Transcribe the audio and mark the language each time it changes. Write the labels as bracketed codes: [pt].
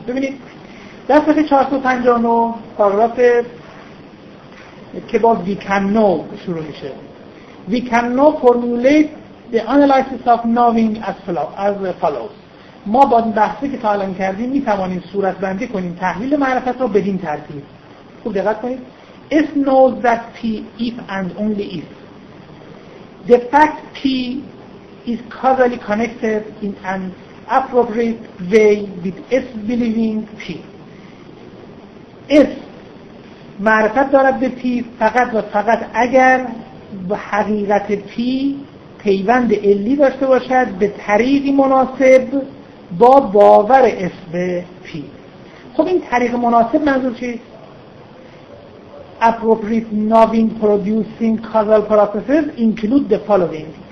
[fa] ببینید در صفحه 459 پاراگراف که با [en] we can now شروع میشه، we can now formulate the analysis of knowing as follows, [fa] ما با این بحثی که تا الان کردیم میتوانیم صورت بندی کنیم تحلیل معرفت رو بدین ترتیب. خوب دقت کنید. [en] If knows that P if and only if the fact P is causally connected in an appropriate way with S believing P. [fa] S معرفت دارد به P فقط و فقط اگر به حقیقت P پیوند علی داشته باشد به طریقی مناسب با باور S به P. خب این طریق مناسب منظور چیست؟ [en] appropriate knowing producing causal processes include the following.